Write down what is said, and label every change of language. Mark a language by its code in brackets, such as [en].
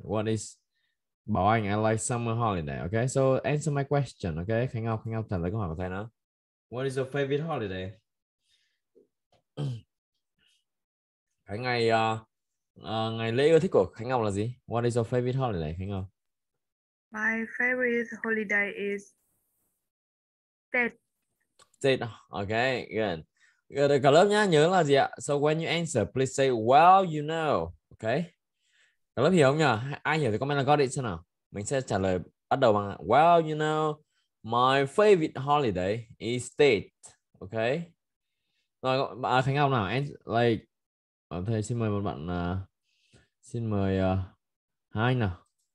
[en] What is Bảo Anh, I like summer holiday. Okay, so answer my question. [vi] Okay, Khánh Ngọc, Khánh Ngọc trả lời câu hỏi của thầy nào. [en] What is your favorite holiday? [vi] Cái ngày ngày lễ ưa thích của Khánh Ngọc là gì? [en] What is your favorite holiday, Khánh Ngọc? My favorite holiday is Tết. Tết, okay, good. [vi] Good, cả lớp nhá, nhớ là gì ạ? [en] So when you answer, please say, well, you know, okay? [vi] Cả lớp hiểu không nhờ? Ai hiểu thì comment là got it xem nào. Mình sẽ trả lời bắt đầu bằng, [en] well, you know, my favorite holiday is Tết, okay? [vi] Rồi, Khánh Ngọc nào, like, thầy xin mời một bạn, xin mời hai anh nào.